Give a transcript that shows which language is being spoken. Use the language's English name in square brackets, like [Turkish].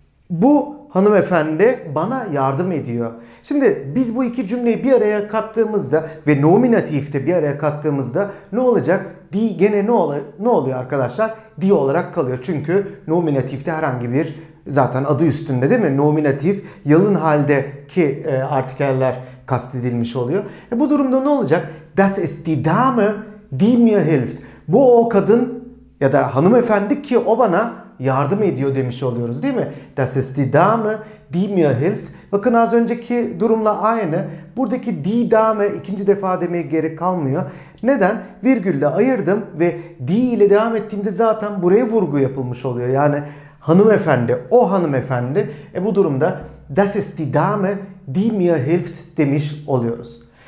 [Turkish] bu hanımefendi bana yardım ediyor. Şimdi biz bu iki cümleyi bir araya kattığımızda ve nominatifte bir araya kattığımızda ne olacak? Die gene ne oluyor arkadaşlar? Die olarak kalıyor. Çünkü nominatifte herhangi bir zaten adı üstünde değil mi? Nominatif yalın haldeki artikeller kastedilmiş oluyor. Bu durumda ne olacak? [German] Das ist die Dame, die mir hilft. [Turkish] Bu o kadın ya da hanımefendi ki o bana yardım ediyor demiş oluyoruz değil mi? [German] Das ist die Dame, die mir hilft. [Turkish] Bakın az önceki durumla aynı. Buradaki die Dame ikinci defa demeye gerek kalmıyor. Neden? Virgülle ayırdım ve die ile devam ettiğimde zaten buraya vurgu yapılmış oluyor. Yani hanımefendi, o hanımefendi bu durumda [German] das ist die Dame, die mir hilft [Turkish] demiş oluyoruz.